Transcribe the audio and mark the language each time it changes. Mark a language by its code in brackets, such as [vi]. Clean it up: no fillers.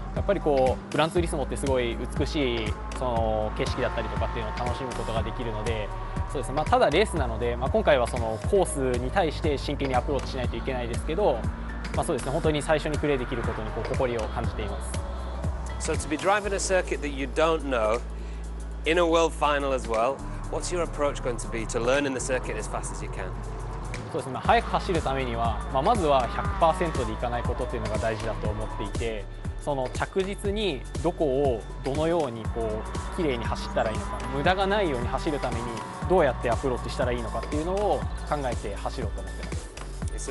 [ja] やっぱりこうグランツーリスモってすごい美しいその景色だったりとかっていうのを楽しむことができるので、そうですね。まあただレースなので、まあ今回はそのコースに対して真剣にアプローチしないといけないですけど、まあそうですね。本当に最初にプレーできることにこう誇りを感じています。 [en] So to be driving a circuit that you don't know in a world final as well. What's your approach going to be to learning the circuit as fast as you can? [ja] そうですね。速く走るためには、まあ、まずは 100% でいかないことっていうのが大事だと思っていて、その着実にどこをどのようにこう綺麗に走ったらいいのか、無駄がないように走るためにどうやってアプローチしたらいいのかっていうのを考えて走ろうと思ってます。